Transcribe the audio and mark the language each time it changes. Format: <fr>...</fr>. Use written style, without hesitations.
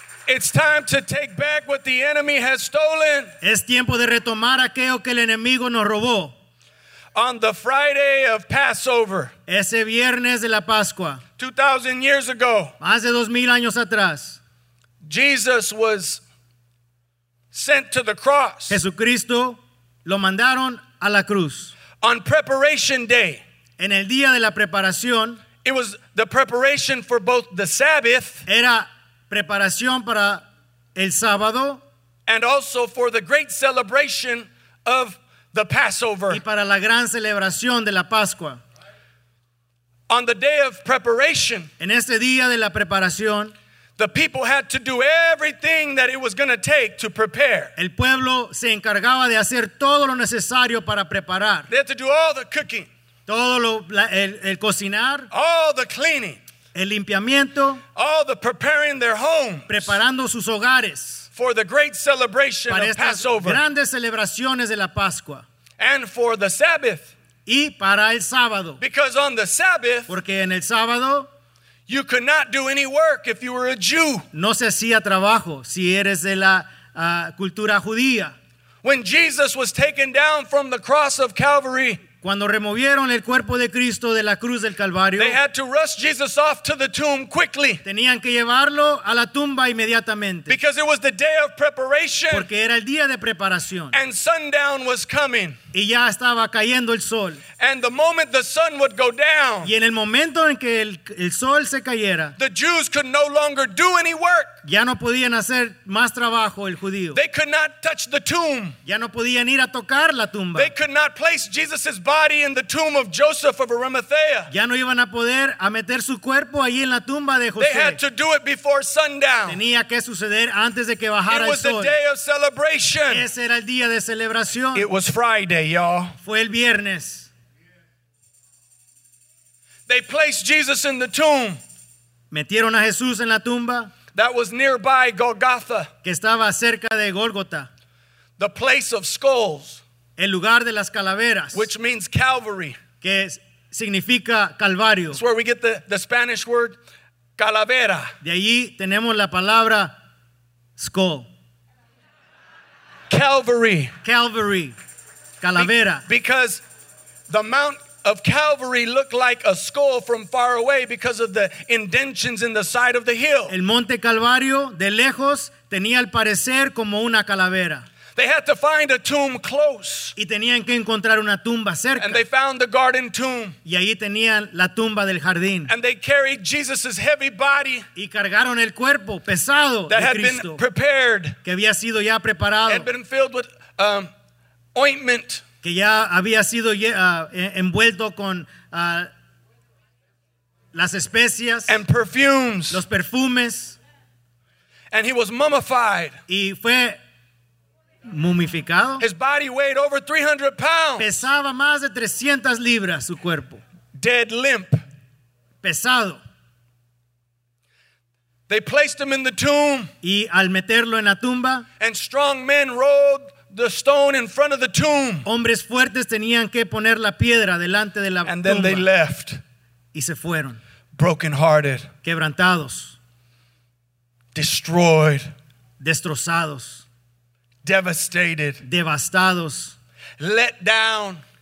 <en>It's time to take back what the enemy has stolen.</en> <es>Es tiempo de retomar aquello que el enemigo nos robó.</es> <en>On the Friday of Passover,</en> <es>ese viernes de la Pascua,</es> <en>2,000 years ago,</en> <es>más de 2,000 años atrás,</es> <en>Jesus was sent to the cross.</en> <es>Jesucristo lo mandaron a la cruz.</es> <en>On Preparation Day,</en> <es>en el día de la preparación,</es> <en>it was the preparation for both the Sabbath,</en> <es>era preparación para el sábado,</es> <en>and also for the great celebration of the Passover.</en> <es>Y para la gran celebración de la Pascua.</es> <en>On the day of preparation,</en> <es>en este día de la preparación,</es> <en>the people had to do everything that it was going to take to prepare.</en> <es>El pueblo se encargaba de hacer todo lo necesario para preparar.</es> <en>They had to do all the cooking,</en> <es>todo lo el cocinar,</es> <en>all the cleaning,</en> <es>el limpiamiento,</es> <en>all the preparing their homes,</en> <es>preparando sus hogares.</es> <en>For the great celebration</en> <es>para</es> <en>of Passover,</en> <es>grandes celebraciones de la Pascua,</es> <en>and for the Sabbath,</en> <es>y para el sábado,</es> <en>because on the Sabbath,</en> <es>porque en el sábado,</es> <en>you could not do any work if you were a Jew.</en> <es>No se hacía trabajo si eres de la cultura judía.</es> <en>When Jesus was taken down from the cross of Calvary,</en> <es>cuando removieron el cuerpo de Cristo de la cruz del Calvario,</es> <en>they had to rush Jesus off to the tomb quickly.</en> <es>Tenían que llevarlo a la tumba inmediatamente.</es> <en>Because it was the day of preparation.</en> <es>Porque era el día de preparación.</es> <en>And sundown was coming.</en> <es>Y ya estaba cayendo el sol.</es> <en>And the moment the sun would go down,</en> <es>y en el momento en que el sol se cayera,</es> <en>the Jews could no longer do any work.</en> <es>Ya no podían hacer más trabajo el judío.</es> <en>They could not touch the tomb.</en> <es>Ya no podían ir a tocar la tumba.</es> <en>They could not place Jesus's body in the tomb of Joseph of Arimathea.</en> <es>Ya no iban a poder a meter su cuerpo allí en la tumba de José.</es> <en>They had to do it before sundown.</en> <es>Tenía que suceder antes de que bajara el sol.</es> <en>It was the day of celebration.</en> <es>Ese era el día de celebración.</es> <en>It was Friday, y'all.</en> <es>Fue el viernes.</es> <en>They placed Jesus in the tomb.</en> <es>Metieron a Jesús en la tumba.</es> <en>That was nearby Golgotha.</en> <es>Que estaba cerca de Golgotha.</es> <en>The place of skulls.</en> <es>El lugar de las calaveras.</es> <en>Which means Calvary.</en> <es>Que significa calvario.</es> <en>That's where we get the Spanish word calavera.</en> <es>De allí tenemos la palabra skull.</es> <en>Calvary. Calvary. Calavera. Because the Mount of Calvary looked like a skull from far away because of the indentions in the side of the hill.</en> <es>El Monte Calvario de lejos tenía al parecer como una calavera.</es> <en>They had to find a tomb close.</en> <es>Y tenían que encontrar una tumba cerca.</es> <en>And they found the garden tomb.</en> <es>Y allí tenían la tumba del jardín.</es> <en>And they carried Jesus's heavy body.</en> <es>Y cargaron el cuerpo pesado</es> <en>that</en> <es>de</es> <en>had</en> <es>Cristo,</es> <en>been prepared.</en> <es>Que había sido ya preparado.</es> <en>Had been filled with ointment.</en> <es>Que ya había sido envuelto con las especias,</es> <en>and perfumes,</en> <es>los perfumes,</es> <en>And he was mummified.</en> <es>Y fue mumificado.</es> <en>His body weighed over 300 pounds.</en> <es>Pesaba más de 300 libras su cuerpo.</es> <en>Dead limp.</en> <es>Pesado.</es> <en>They placed him in the tomb.</en> <es>Y al meterlo en la tumba.</es> <en>And strong men rolled the stone in front of the tomb.</en> <es>Hombres fuertes tenían que poner la piedra delante de la tumba.</es> <en>And then they left.</en> <es>Y se fueron.</es> <en>Broken hearted.</en> <es>Quebrantados.</es> <en>Destroyed.</en> <es>Destrozados.</es> <en>Devastated.</en> <es>Devastados.</es> <en>Let down.</en>